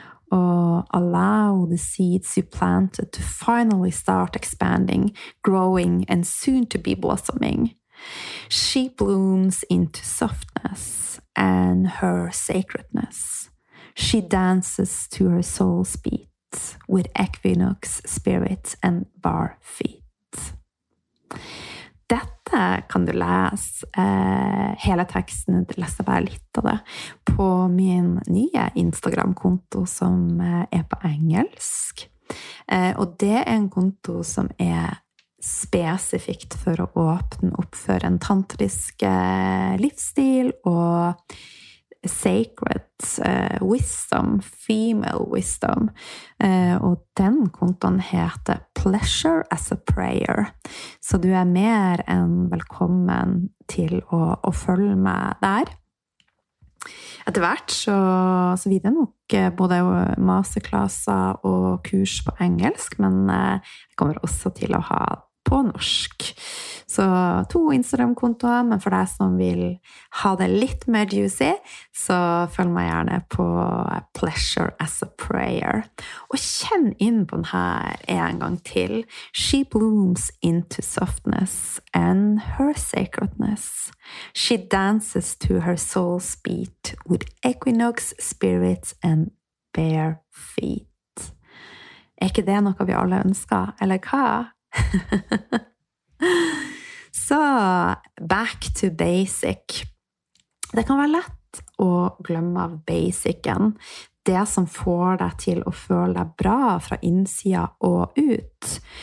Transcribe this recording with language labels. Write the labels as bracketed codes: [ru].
[en] Or allow the seeds you planted to finally start expanding, growing, and soon to be blossoming. She blooms into softness and her sacredness. She dances to her soul's beat with equinox spirit and bare feet. [sv] Detta kan du läsa hela texten, du läser bara lite av det, på min nya Instagram-konto som är på engelsk. Och det är en konto som är specifikt för att öppna upp för en tantrisk livsstil och [en] sacred wisdom, female wisdom. [sv] Och den konton heter Pleasure as a Prayer. Så du är mer än välkommen till att följa med där. [no] Etter hvert så videre nok både masterklasser og kurs på engelsk, men jeg kommer også til å ha på norsk. Så to Instagram-kontoer, men for deg som vil ha det litt mer juicy, så følg meg gjerne på Pleasure as a Prayer. Og kjenn inn på denne en gang til. [en] She blooms into softness and her sacredness. She dances to her soul's beat with equinox spirits and bare feet. [no] Ikke det noe vi alle ønsker, eller hva? Så [en] back to basic. [no] Det kan være lett å glemme av basicen, det som får deg til å føle deg bra fra innsida og ut.